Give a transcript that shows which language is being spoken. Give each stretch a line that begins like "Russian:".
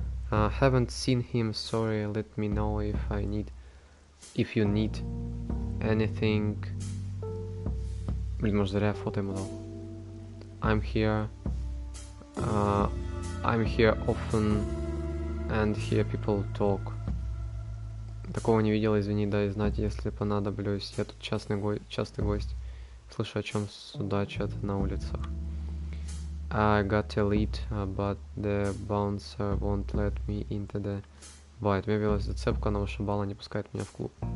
English: Haven't seen him, sorry, let me know if you need anything.
Russian: Блин, может зря фото ему дал.
English: I'm here often and hear people talk.
Russian: Такого не видел, извини, да, и знать, если понадоблюсь. Я тут частый гость. Слышу, о чем судачат на улицах.
English: I got a lead, but the bouncer won't let me into the bite.
Russian: У меня появилась зацепка, но вышибала не пускает меня в клуб.